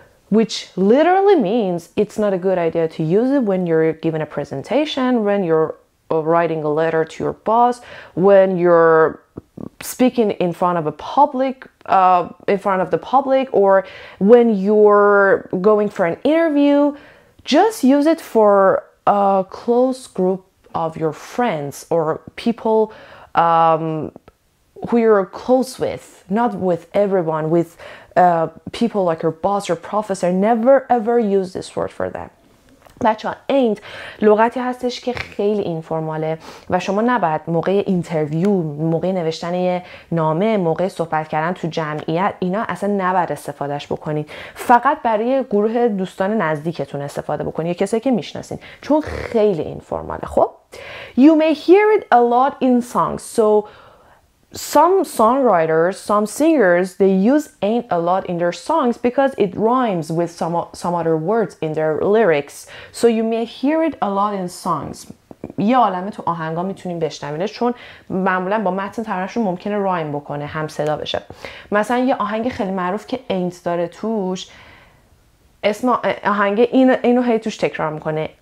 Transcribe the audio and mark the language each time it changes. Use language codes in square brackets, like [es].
[en] Which literally means it's not a good idea to use it when you're given a presentation, when you're writing a letter to your boss, when you're speaking in front of a public, in front of the public, or when you're going for an interview. Just use it for a close group of your friends or people, who you're close with, not with everyone, with people like your boss or professor. Never ever use this word for them. [fa] بچه ها ain't لغتی هستش که خیلی اینفرماله و شما نباید موقع اینترویو موقع نوشتن یه نامه موقع صحبت کردن تو جمعیت اینا اصلا نباید استفادهش بکنید فقط برای گروه دوستان نزدیکتون استفاده بکنید یه کسی که میشناسین چون خیلی اینفرماله خب [en] You may hear it a lot in songs So Some songwriters, some singers, they use ain't a lot in their songs because it rhymes with some other words in their lyrics. So you may hear it a lot in songs. [fa] یه عالمه تو آهنگا میتونیم بشنوینش چون معمولا با متن ترانه‌شون ممکنه رایم بکنه هم صدا بشه. مثلا یه آهنگ خیلی معروف که ain't داره توش اسم آهنگ اینو هی توش تکرار میکنه.